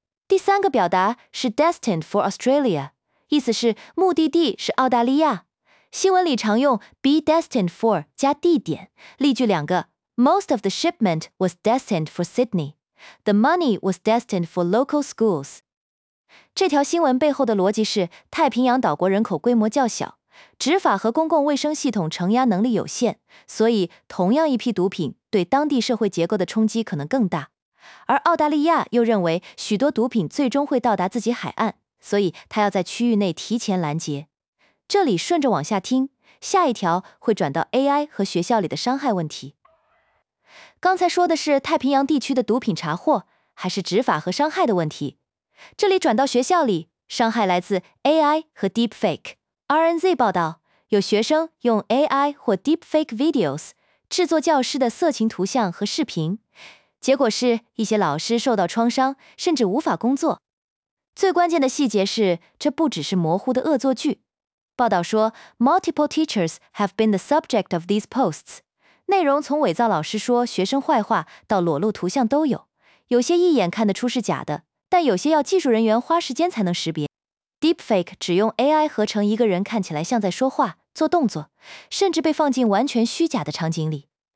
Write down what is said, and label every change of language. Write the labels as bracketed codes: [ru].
[zh] 第三个表达是 [en] destined for Australia， [zh] 意思是目的地是澳大利亚。新闻里常用 be destined for 加地点。例句两个， [en] Most of the shipment was destined for Sydney. The money was destined for local schools. [zh] 这条新闻背后的逻辑是，太平洋岛国人口规模较小，执法和公共卫生系统承压能力有限，所以同样一批毒品对当地社会结构的冲击可能更大。而澳大利亚又认为许多毒品最终会到达自己海岸，所以他要在区域内提前拦截。这里顺着往下听，下一条会转到 AI 和学校里的伤害问题。刚才说的是太平洋地区的毒品查获，还是执法和伤害的问题？这里转到学校里，伤害来自 AI 和 Deepfake。 RNZ 报道，有学生用 AI 或 Deepfake videos 制作教师的色情图像和视频，结果是一些老师受到创伤，甚至无法工作。最关键的细节是，这不只是模糊的恶作剧。报道说 ， [en] multiple teachers have been the subject of these posts。 [zh] 内容从伪造老师说学生坏话到裸露图像都有，有些一眼看得出是假的，但有些要技术人员花时间才能识别。 Deepfake 只用 AI 合成一个人看起来像在说话、做动作，甚至被放进完全虚假的场景里。